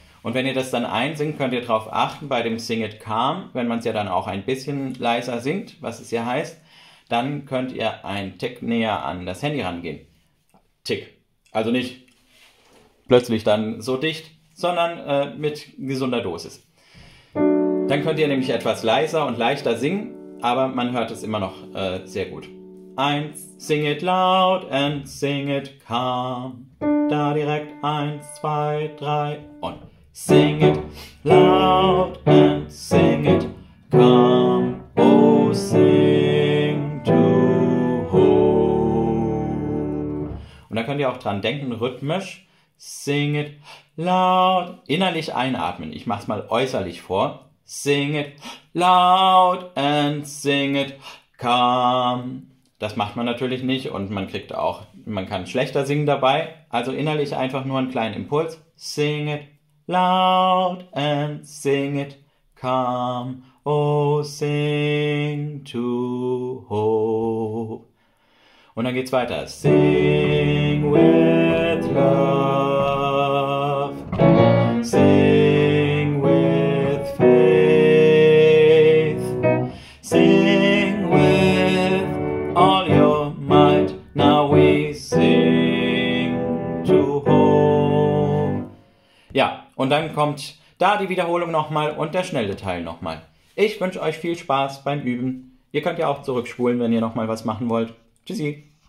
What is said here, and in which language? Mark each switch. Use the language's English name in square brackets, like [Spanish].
[German] Und wenn ihr das dann einsingt, könnt ihr darauf achten bei dem [English] Sing it calm, [German] wenn man es ja dann auch ein bisschen leiser singt, was es hier heißt, dann könnt ihr ein Tick näher an das Handy rangehen. Tick. Also nicht plötzlich dann so dicht, sondern mit gesunder Dosis. Dann könnt ihr nämlich etwas leiser und leichter singen, aber man hört es immer noch sehr gut. [English] Eins, sing it loud and sing it calm. [German] Da direkt eins, zwei, drei und [English] sing it loud and sing it calm. Oh, sing to hope. [German] Und da könnt ihr auch dran denken, rhythmisch. [English] Sing it loud, [German] innerlich einatmen. Ich mach's mal äußerlich vor. [English] Sing it loud and sing it calm. [German] Das macht man natürlich nicht und man kann schlechter singen dabei. Also innerlich einfach nur einen kleinen Impuls. [English] Sing it loud and sing it calm. Oh, sing to hope. [German] Und dann geht's weiter. [English] Sing with love. Sing with faith. Sing with all your might. Now we sing to hope. [German] Ja, und dann kommt da die Wiederholung nochmal und der schnelle Teil nochmal. Ich wünsche euch viel Spaß beim Üben. Ihr könnt ja auch zurückspulen, wenn ihr nochmal was machen wollt. Tschüssi.